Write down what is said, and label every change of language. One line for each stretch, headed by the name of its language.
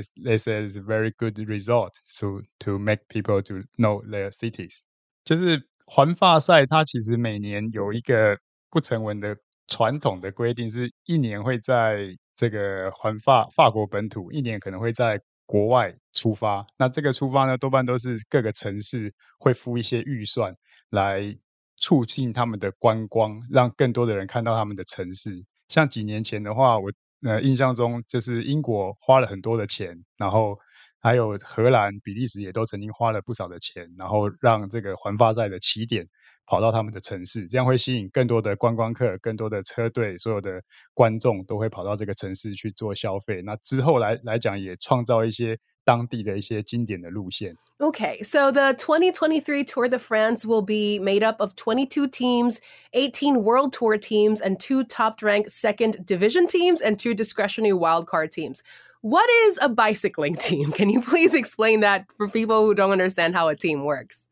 English: They say it's a very good result to make people to know their cities.
Chinese: 就是环法赛，它其实每年有一个不成文的传统的规定，是一年会在这个环法法国本土，一年可能会在国外出发。那这个出发呢，多半都是各个城市会付一些预算来促进他们的观光，让更多的人看到他们的城市。像几年前的话，我印象中就是英国花了很多的钱，然后还有荷兰、比利时也都曾经花了不少的钱，然后让这个环法赛的起点跑到他们的城市，这样会吸引更多的观光客、更多的车队、所有的观众都会跑到这个城市去做消费。那之后来讲，也创造一些当地的一些经典的路线。
English: Okay, so the 2023 Tour de France will be made up of 22 teams, 18 World Tour teams, and two top-ranked second division teams and two discretionary wildcard teams. What is a bicycling team? Can you please explain that for people who don't understand how a team works?